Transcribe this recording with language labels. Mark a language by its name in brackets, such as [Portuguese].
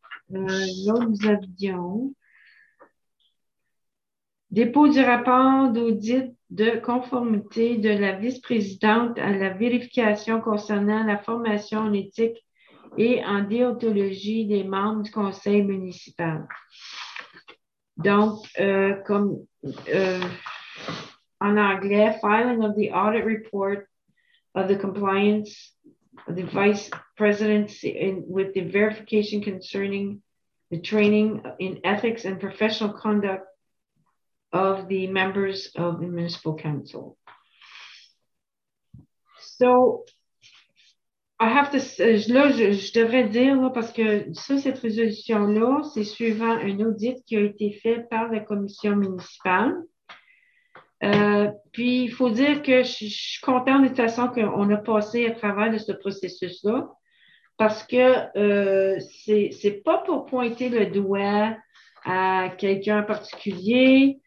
[French] Là, nous avions dépôt du rapport d'audit de conformité de la vice-présidente à la vérification concernant la formation en éthique et en déontologie des membres du conseil municipal. Donc, en anglais, [English] filing of the audit report of the compliance of the vice presidency with the verification concerning the training in ethics and professional conduct of the members of the municipal council. So, I have to say, [French] je devrais dire, là, parce que ça, cette résolution-là, c'est suivant un audit qui a été fait par la commission municipale. Puis, il faut dire que je suis contente de toute façon qu'on a passé à travers de ce processus-là, parce que c'est pas pour pointer le doigt à quelqu'un en particulier.